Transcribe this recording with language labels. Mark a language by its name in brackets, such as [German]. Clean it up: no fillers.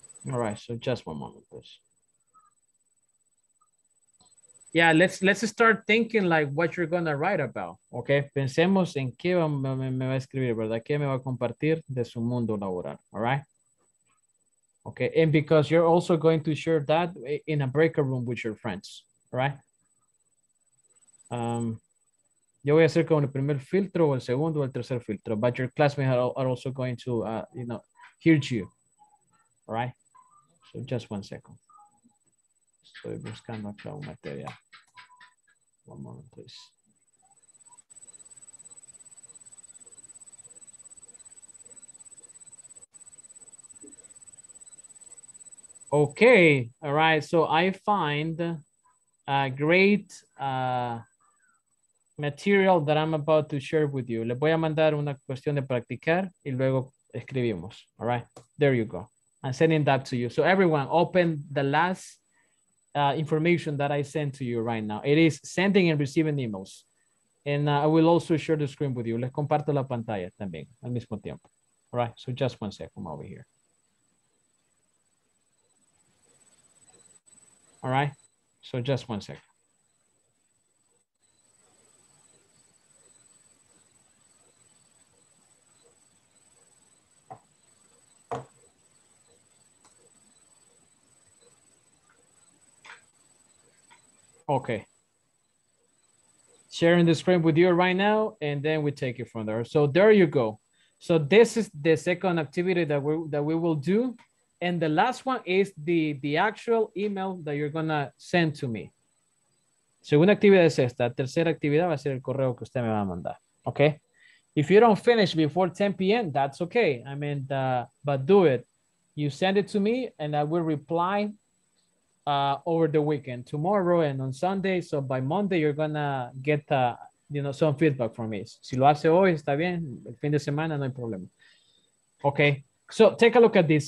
[English] All right, so just 1 moment, please. Yeah, let's start thinking like what you're going to write about, okay? [Spanish] Pensemos en qué me va a escribir, ¿verdad? ¿Qué me va a compartir de su mundo laboral, all right? [English] Okay, and because you're also going to share that in a breakout room with your friends, all right? [Spanish] Yo voy a hacer como el primer filtro o el segundo o el tercer filtro, [English] but your classmates are also going to, you know, hear you, all right? So just 1 second. [Spanish] Estoy buscando acá un material. [English] 1 moment, please. Okay, all right. So I find a great material that I'm about to share with you. [Spanish] Le voy a mandar una cuestión de practicar y luego escribimos. [English] All right, there you go. I'm sending that to you. So everyone, open the last information that I sent to you right now. It is sending and receiving emails. And I will also share the screen with you. [Spanish] Les comparto la pantalla también al mismo tiempo. [English] All right, so just 1 second over here. All right, so just 1 second. Okay. Sharing the screen with you right now, and then we take it from there. So there you go. So this is the second activity that we will do. And the last one is the actual email that you're going to send to me. [Spanish] Segunda actividad es esta. Tercera actividad va a ser el correo que usted me va a mandar. [English] Okay. If you don't finish before 10 p.m., that's okay. I mean, but do it. You send it to me and I will reply over the weekend, tomorrow and on Sunday. So by Monday, you're going to get some feedback from me. [Spanish] Si lo hace hoy, está bien. El fin de semana, no hay problema. Okay. [English] So take a look at this.